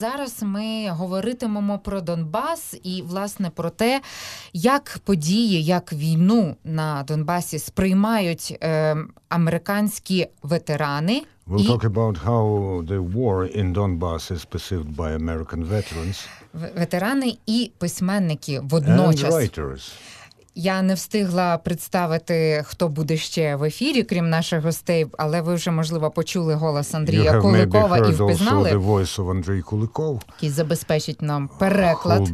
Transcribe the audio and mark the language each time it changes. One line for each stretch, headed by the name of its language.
Ukrainian: Зараз ми говоритимемо про Донбас і, власне, про те, як події, як війну на Донбасі сприймають американські ветерани.
English: We'll talk about how the war in Donbass is perceived by American veterans.
Ukrainian: Ветерани і письменники водночас.
English: And writers.
Ukrainian: Я не встигла представити, хто буде ще в ефірі, крім наших гостей, але ви вже, можливо, почули голос Андрія Куликова і впізнали.
English: The voice of Andrei Kulikov,
Ukrainian: який забезпечить нам переклад.